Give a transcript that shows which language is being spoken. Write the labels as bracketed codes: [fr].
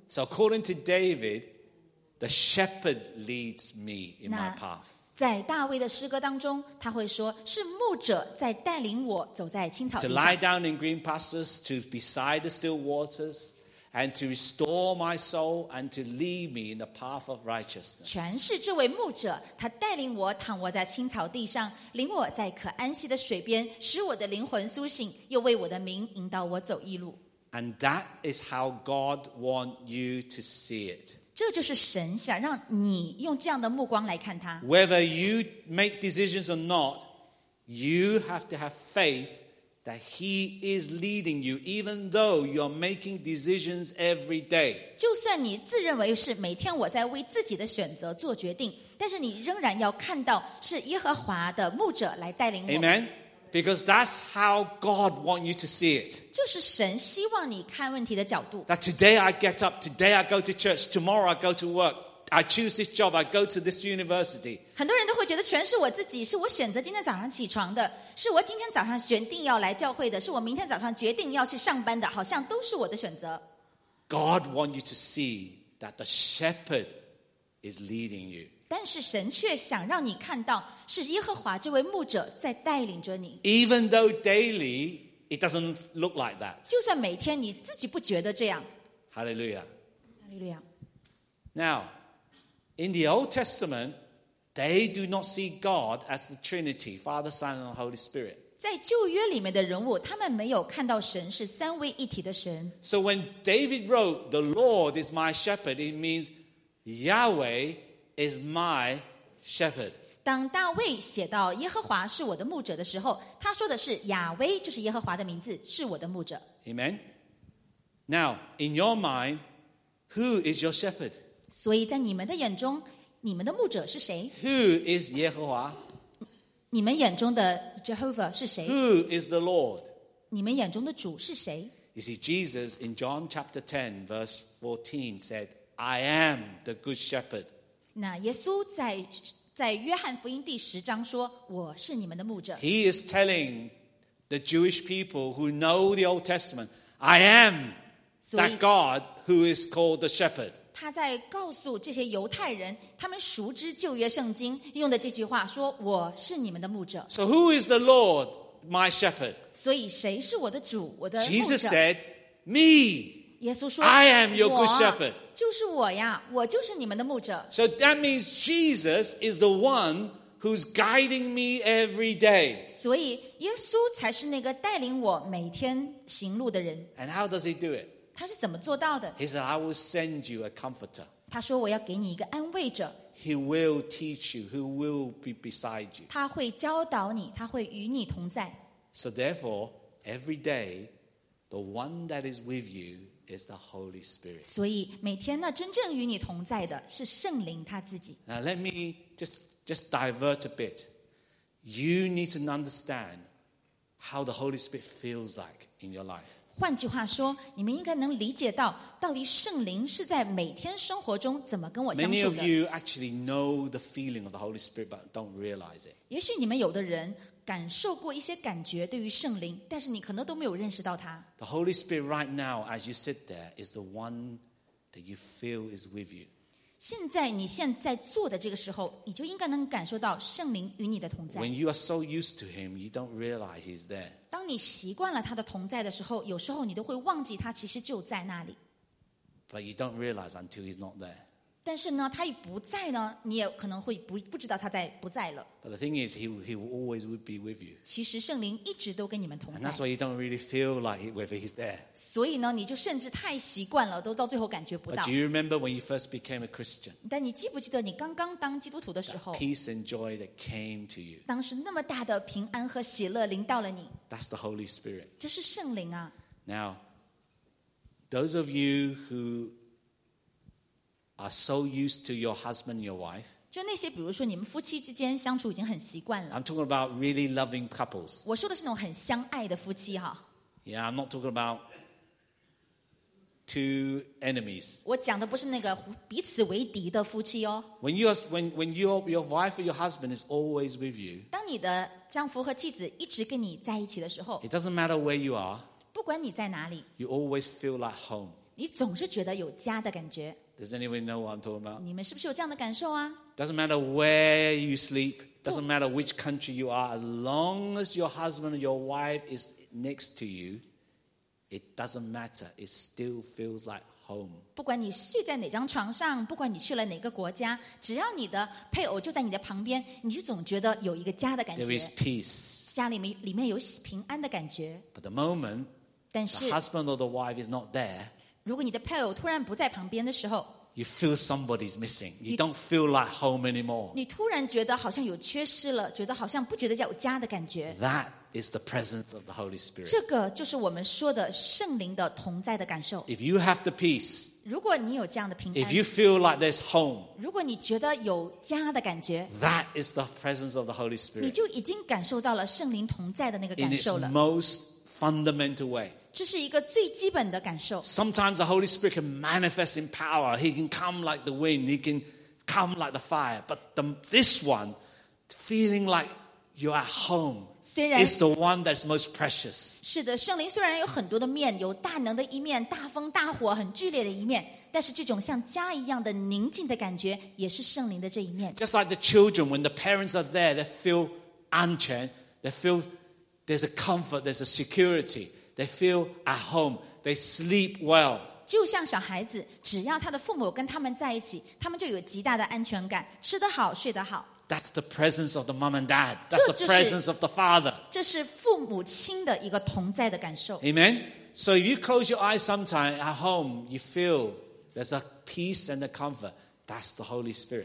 [en] So according to David, the shepherd leads me in my path. [zh] 在大卫的诗歌当中，他会说是牧者在带领我走在青草地上。 [en] To lie down in green pastures, to beside the still waters. And to restore my soul and to lead me in the path of righteousness. [zh] 全是这位牧者，他带领我躺卧在青草地上，领我在可安息的水边，使我的灵魂苏醒，又为我的名引导我走义路。 [en] And that is how God wants you to see it. [zh] 这就是神想让你用这样的目光来看他。 [en] Whether you make decisions or not, you have to have faith. That he is leading you, even though you're making decisions every day. [zh] 就算你自认为是每天我在为自己的选择做决定，但是你仍然要看到是耶和华的牧者来带领我。 [en] Amen. Because that's how God wants you to see it. [zh] 就是神希望你看问题的角度。 [en] That today I get up, today I go to church, tomorrow I go to work. I choose this job. I go to this university. [zh] 很多人都会觉得全是我自己，是我选择今天早上起床的，是我今天早上决定要来教会的，是我明天早上决定要去上班的，好像都是我的选择。 [en] God wants you to see that the shepherd is leading you. [zh] 但是神却想让你看到是耶和华这位牧者在带领着你。 [en] Even though daily it doesn't look like that. [zh] 就算每天你自己不觉得这样。 [en] Hallelujah. Hallelujah. Now. In the Old Testament, they do not see God as the Trinity, Father, Son, and Holy Spirit. [zh] 在旧约里面的人物，他们没有看到神是三位一体的神。 [en] So when David wrote, "The Lord is my shepherd," it means Yahweh is my shepherd. [zh] 当大卫写到耶和华是我的牧者的时候，他说的是亚威，就是耶和华的名字，是我的牧者。 [en] Amen. Now, in your mind, who is your shepherd? [zh] 所以在你们的眼中，你们的牧者是谁？ [en] Who is 耶和华？ [zh] 你们眼中的 Jehovah 是谁？ [en] Who is the Lord? [zh] 你们眼中的主是谁？ [en] You see, Jesus in John chapter 10 verse 14 said, I am the good shepherd. [zh] 那耶稣在约翰福音第十章说，我是你们的牧者。 [en] He is telling the Jewish people who know the Old Testament, I am that God who is called the shepherd. [zh] 他在告诉这些犹太人，他们熟知旧约圣经用的这句话，说我是你们的牧者。 [en] So who is the Lord, my shepherd? [zh] 所以谁是我的主，我的牧者？ [en] Jesus said, me. [zh] 耶稣说， [en] I am your good shepherd. [zh] 就是我呀，我就是你们的牧者。 [en] So that means Jesus is the one who's guiding me every day. [zh] 所以耶稣才是那个带领我每天行路的人。 [en] And how does he do it? [zh] 他是怎么做到的？ [en] He said, I will send you a comforter. [zh] 他说我要给你一个安慰者。 [en] He will teach you, he will be beside you. [zh] 他会教导你，他会与你同在。 [en] So therefore, every day, the one that is with you,is the Holy Spirit. [zh] 所以每天呢，真正与你同在的是圣灵他自己。 [en] Now let me just divert a bit. You need to understand how the Holy Spirit feels like in your life. [zh] 换句话说，你们应该能理解到，到底圣灵是在每天生活中怎么跟我相处的。 [en] Many of you actually know the feeling of the Holy Spirit, but don't realize it. [zh] 也许你们有的人感受过一些感觉对于圣灵，但是你可能都没有认识到他。 [en] The Holy Spirit right now as you sit there is the one that you feel is with you. [zh] 现在你现在坐的这个时候，你就应该能感受到圣灵与你的同在。 [en] When you are so used to him, you don't realize he's there. [zh] 当你习惯了他的同在的时候，有时候你都会忘记他其实就在那里。 [en] But you don't realize until he's not there. [zh] 但是呢，他一不在呢，你也可能会 不知道他在不在了。 [en] But the thing is, he will always be with you. [zh] 其实圣灵一直都跟你们同在。 [en] And that's why you don't really feel like whether he's there. [zh] 所以呢，你就甚至太习惯了，都到最后感觉不到。 [en] But do you remember when you first became a Christian? [zh] 但你记不记得你刚刚当基督徒的时候 [en] ？That peace and joy that came to you. [zh] 当时那么大的平安和喜乐临到了你。 [en] That's the Holy Spirit. [zh] 这是圣灵啊。 [en] Now, those of you who are so used to your husband and your wife. [zh] 就那些比如说你们夫妻之间相处已经很习惯了。 [en] I'm talking about really loving couples. [zh] 我说的是那种很相爱的夫妻哈。 [en] Yeah, I'm not talking about two enemies. [zh] 我讲的不是那个彼此为敌的夫妻哦。 [en] When your wife or your husband is always with you. [zh] 当你的丈夫和妻子一直跟你在一起的时候。 [en] It doesn't matter where you are. [zh] 不管你在哪里。 [en] You always feel like home. [zh] 你总是觉得有家的感觉。 [en] Does anyone know what I'm talking about? [zh] 你们是不是有这样的感受啊？ [en] Doesn't matter where you sleep, doesn't matter which country you are, as long as your husband or your wife is next to you, it doesn't matter. It still feels like home. [zh] 不管你睡在哪张床上，不管你去了哪个国家，只要你的配偶就在你的旁边，你就总觉得有一个家的感觉。 [en] There is peace. [zh] 家里面有平安的感觉。 [en] But the moment the husband or the wife is not there, [zh] 如果你的配偶突然不在旁边的时候 [en] ，You feel somebody's missing. You don't feel like home anymore. [zh] 你突然觉得好像有缺失了，觉得好像不觉得有家的感觉。 [en] That is the presence of the Holy Spirit. [zh] 这个就是我们说的圣灵的同在的感受。 [en] If you have the peace, [zh] 如果你有这样的平安 [en] ，If you feel like there's home, [zh] 如果你觉得有家的感觉 [en] ，That is the presence of the Holy Spirit. [zh] 你就已经感受到了圣灵同在的那个感受了。 [en] In its most fundamental way. [zh] 这是一个最基本的感受。 [en] Sometimes the Holy Spirit can manifest in power. He can come like the wind. He can come like the fire. But this one, feeling like you're at home, is the one that's most precious. [zh] 是的，圣灵虽然有很多的面，有大能的一面，大风大火，很剧烈的一面，但是这种像家一样的宁静的感觉，也是圣灵的这一面。 [en] Just like the children, when the parents are there, they feel [zh] 安全, [en] they feel there's a comfort, there's a security. They feel at home. They sleep well. [zh] 就像小孩子，只要他的父母跟他们在一起，他们就有极大的安全感，吃得好，睡得好。 [en] That's the presence of the mom and dad. That's the presence of the father. [zh] 这是父母亲的一个同在的感受。 [en] Amen. So if you close your eyes sometime at home, you feel there's a peace and a comfort. That's the Holy Spirit.